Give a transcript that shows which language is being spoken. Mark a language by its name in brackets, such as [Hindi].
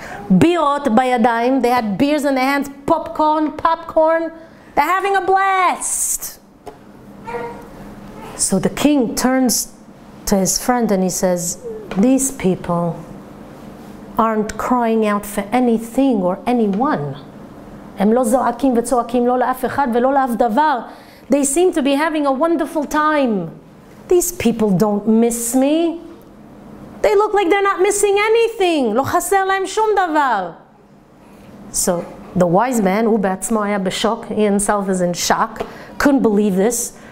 [Hebrew] Birot bayadaim, [English] they had beers in their hands, popcorn, they're having a blast. So the king turns to his friend and he says, these people aren't crying out for anything or anyone. [Hebrew] הם לא זועקים וצועקים לא לאף אחד ולא לאף דבר. [English] They seem to be having a wonderful time. These people don't miss me. They look like they're not missing anything. [Hebrew] לא חסר להם שום דבר. [English] So the wise man, [Hebrew] הוא בעצמו היה בשוק, [English] he himself is in shock, couldn't believe this.